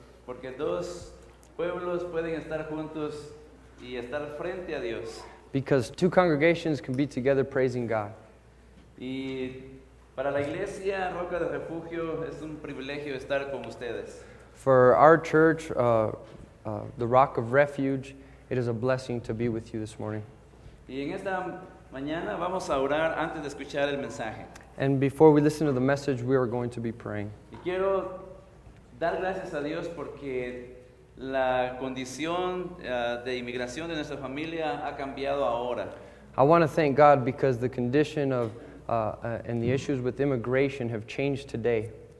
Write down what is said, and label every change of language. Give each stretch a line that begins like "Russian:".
Spanish: Porque dos pueblos pueden estar juntos y estar frente a Dios.
English: Because two congregations can be together praising God.
Spanish: Y para la iglesia Roca de Refugio es un privilegio estar con ustedes.
English: For our church, the Rock of Refuge, it is a blessing to be with you this morning.
Spanish: Y en esta mañana vamos a orar antes de escuchar el mensaje.
English: And before we listen to the message, we are going to be praying.
Spanish: Y quiero dar gracias a Dios porque la condición de inmigración de nuestra familia ha cambiado ahora.
English: I want to thank God because the condition of and the issues with immigration have changed today.